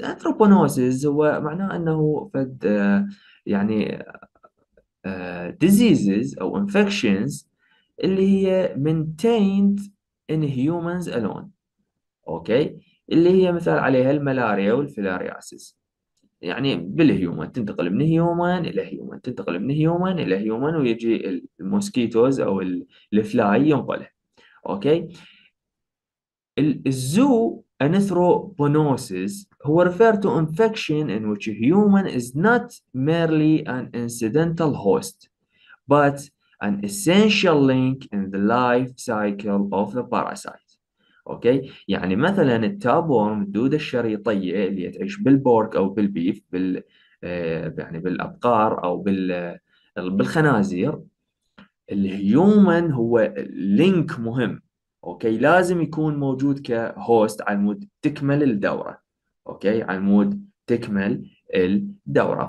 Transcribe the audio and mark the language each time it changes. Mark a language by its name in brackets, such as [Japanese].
[Arabic] انثروبونوسيس هو معناه انه فد يعني diseases أو infections اللي هي [English] maintained in humans alone، [Arabic] أوكي، اللي هي مثال عليها الملاريا والفيلارياسيس، يعني بالهيومن تنتقل من هيومن إلى هيومن، تنتقل من هيومن إلى هيومن ويجي الموسكيتوز أو الفلاي ينقله، أوكي. [English] الزو Anthroponosis هو referred to infection in which a human is not merely an incidental host but an essential link in the life cycle of the parasite. [Arabic] اوكي، يعني مثلا التاب ورم الدوده الشريطيه اللي تعيش بالبورك او بالبيف بال يعني بالابقار او بالخنازير، الهيومن هو لينك مهم، اوكي، لازم يكون موجود كهوست على مود تكمل الدوره، اوكي، على مود تكمل الدوره.